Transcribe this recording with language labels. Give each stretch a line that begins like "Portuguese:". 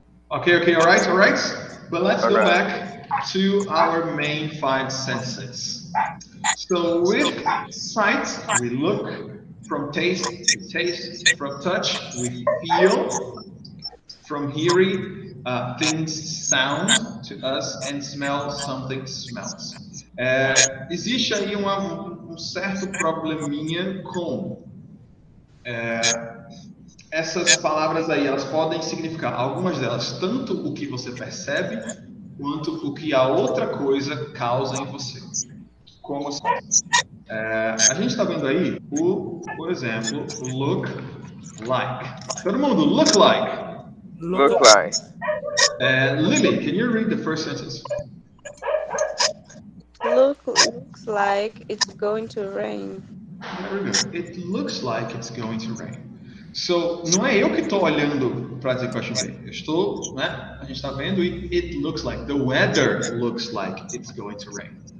English: Okay, okay, all right, all right. But let's go back to our main five senses. So with sight, we look. From taste, we taste. From touch, we feel. From hearing, things sound to us, and smell, something smells.
Portuguese: Existe aí um certo probleminha com essas palavras aí, elas podem significar, algumas delas, tanto o que você percebe, quanto o que a outra coisa causa em você. Como assim? A gente está vendo aí, por exemplo, look like. Todo mundo, look like.
English: Look like. Lily, can you read the first sentence? Looks like it's going to rain. Very good. It looks like it's going to rain.
Portuguese: So, não é eu que estou olhando para dizer que vai chover. Eu estou, né? A gente está vendo e
English: it looks like. The weather looks like it's going to rain.